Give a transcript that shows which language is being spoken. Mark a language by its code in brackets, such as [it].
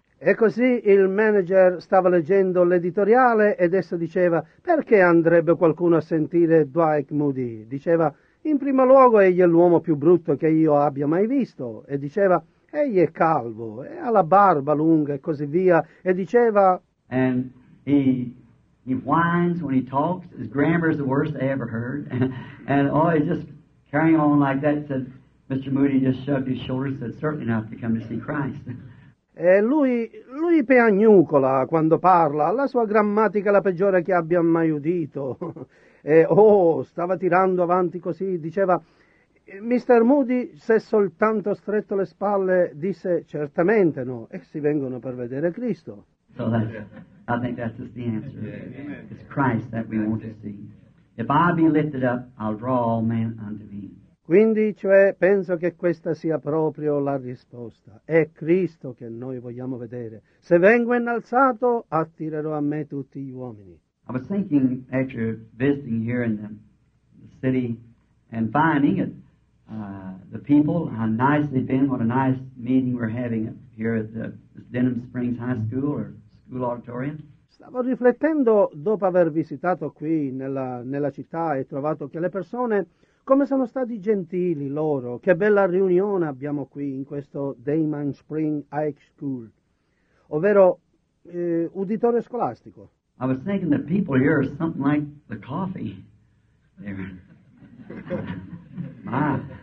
[it] e così il manager stava leggendo l'editoriale ed esso diceva, perché andrebbe qualcuno a sentire Dwight Moody? Diceva, in primo luogo egli è l'uomo più brutto che io abbia mai visto. E diceva, egli è calvo, e ha la barba lunga e così via. E diceva, [en] and he whines when he talks, his grammar is the worst I ever heard. And oh, he's just carrying on like that. Said, Mr. Moody just shrugged his shoulders and said, certainly not to come to see Christ. [it] E lui piagnucola quando parla, la sua grammatica è la peggiore che abbia mai udito. E oh, stava tirando avanti così, diceva, Mr. Moody si è soltanto stretto le spalle, disse, certamente no, essi vengono per vedere Cristo. [en] So that's, I think that's just the answer. It's Christ that we want to see. If I be lifted up, I'll draw all men unto me. [it] Quindi, cioè, penso che questa sia proprio la risposta. È Cristo che noi vogliamo vedere. Se vengo innalzato, attirerò a me tutti gli uomini. [en] I was thinking, after visiting here in the city and finding it, the people, how nice they've been, what a nice meeting we're having here at the Denham Springs High School or School Auditorium. [it] Stavo riflettendo dopo aver visitato qui nella città e trovato che le persone, come sono stati gentili loro, che bella riunione abbiamo qui in questo Denham Springs High School, ovvero uditore scolastico. [en] I was thinking that people here are something like the coffee. There. My.